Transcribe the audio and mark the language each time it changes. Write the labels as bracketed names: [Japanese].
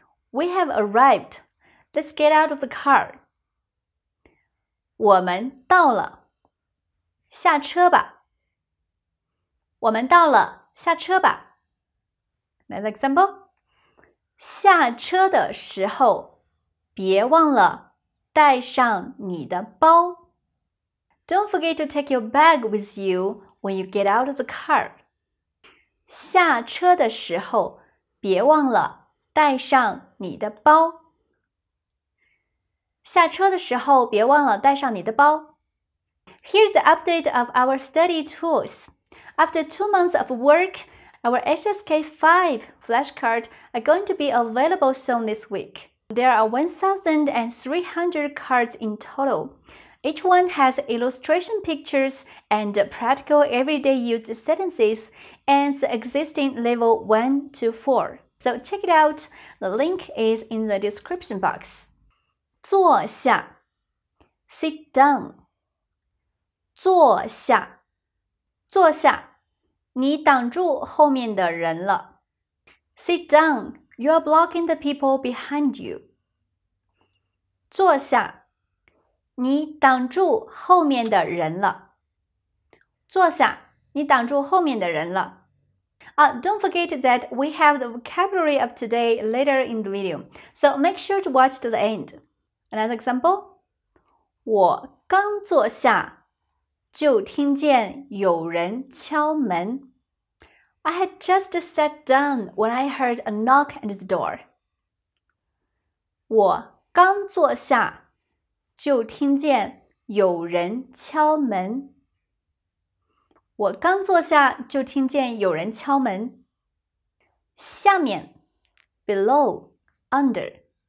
[English] We have arrived. Let's get out of the car. [Chinese] 我们到了，下车吧。我们到了，下车吧。 [English] Next example. [Chinese] 下车的时候，别忘了带上你的包。 [English] Don't forget to take your bag with you when you get out of the car. [Chinese] 下车的时候，别忘了带上你的包。下车的时候，别忘了带上你的包。 [English] Here's the update of our study tools. After 2 months of work, our HSK5 flashcards are going to be available soon this week. There are 1,300 cards in total. Each one has illustration pictures and practical everyday used sentences and the existing level 1 to 4. So check it out. The link is in the description box. 坐下 Sit down. [Chinese] 坐下坐下你挡住后面的人了。 [English] Sit down. You are blocking the people behind you. [Chinese] 坐下，你挡住后面的人了。坐下，你挡住后面的人了。 [English] Don't forget that we have the vocabulary of today later in the video, so make sure to watch to the end. Another example, [Chinese] 我刚坐下就听见有人敲门。 [English] I had just sat down when I heard a knock at the door. [Chinese] 我刚坐下就听见有人敲门。我刚坐下就听见有人敲门。下面 [English] ,below, under.